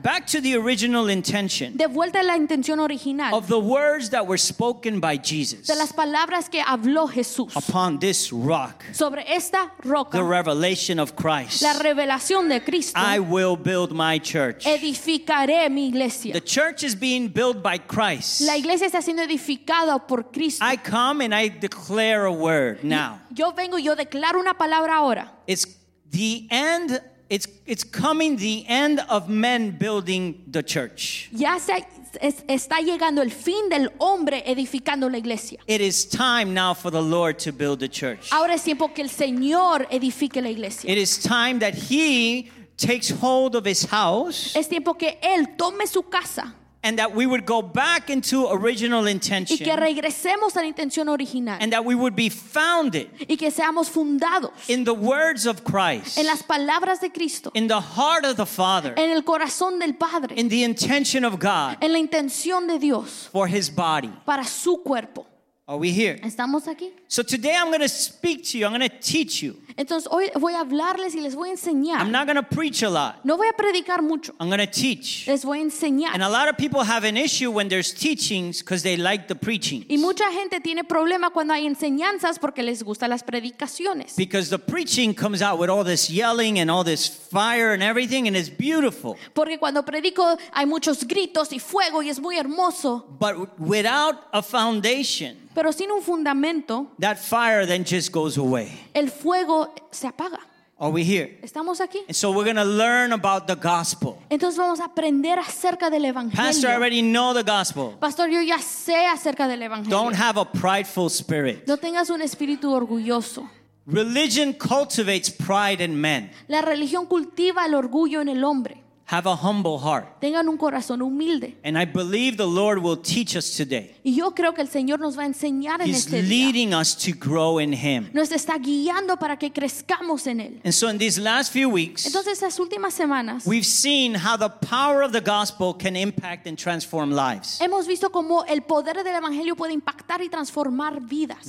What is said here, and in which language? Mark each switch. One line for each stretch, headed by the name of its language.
English: Back to the original intention.
Spanish: De vuelta a la intención original.
English: Of the words that were spoken by Jesus.
Spanish: De las palabras que habló Jesús.
English: Upon this rock.
Spanish: Sobre esta roca.
English: The revelation of Christ.
Spanish: La revelación de Cristo.
English: I will build my church.
Spanish: Edificaré mi iglesia.
English: The church is being built by Christ.
Spanish: La iglesia está siendo edificada por Cristo.
English: I come and I declare a word now.
Spanish: Yo vengo y yo declaro una palabra ahora.
English: It's the end. It's coming. The end of men building the church.
Spanish: Ya se está llegando el fin del hombre edificando la iglesia.
English: It is time now for the Lord to build the church.
Spanish: Ahora es tiempo que el Señor edifique la iglesia.
English: It is time that He takes hold of His house.
Spanish: Es tiempo que él tome su casa.
English: And that we would go back into original intention.
Spanish: Y que regresemos a la intención original.
English: And that we would be founded.
Spanish: Y que seamos fundados.
English: In the words of Christ.
Spanish: En las palabras de Cristo.
English: In the heart of the Father.
Spanish: En el corazón del Padre.
English: In the intention of God.
Spanish: En la intención de Dios.
English: For His body.
Spanish: Para su cuerpo.
English: Are we here?
Spanish: ¿Estamos aquí?
English: So today I'm going to speak to you. I'm going to teach you.
Spanish: Entonces hoy voy a hablarles y les voy a enseñar.
English: I'm not going to preach a lot.
Spanish: No voy a predicar mucho.
English: I'm going to teach.
Spanish: Les voy a enseñar.
English: And a lot of people have an issue when there's teachings because they like the preachings.
Spanish: Y mucha gente tiene problema cuando hay enseñanzas porque les gustan las predicaciones.
English: Because the preaching comes out with all this yelling and all this fire and everything and it's beautiful.
Spanish: Porque cuando predico hay muchos gritos y fuego y es muy hermoso.
English: But without a foundation.
Spanish: Pero sin un fundamento,
English: that fire then just goes away.
Spanish: El fuego se apaga.
English: Are we here?
Spanish: Estamos aquí.
English: And so we're going to learn about the gospel.
Spanish: Entonces vamos a aprender acerca del evangelio.
English: Pastor, I already know the gospel.
Spanish: Pastor, yo ya sé acerca del evangelio.
English: Don't have a prideful spirit.
Spanish: No tengas un espíritu orgulloso.
English: Religion cultivates pride in men.
Spanish: La religión cultiva el orgullo en el hombre.
English: Have a humble heart.
Spanish: Tengan un corazón humilde.
English: And I believe the Lord will teach us today.
Spanish: Y yo creo que el Señor nos va a enseñar en este día.
English: He's leading us to grow in Him.
Spanish: Nos está guiando para que crezcamos en Él.
English: And so in these last few weeks,
Spanish: entonces estas últimas semanas,
English: we've seen how the power of the gospel can impact and transform lives.
Spanish: Hemos visto cómo el poder del evangelio puede impactar y transformar vidas.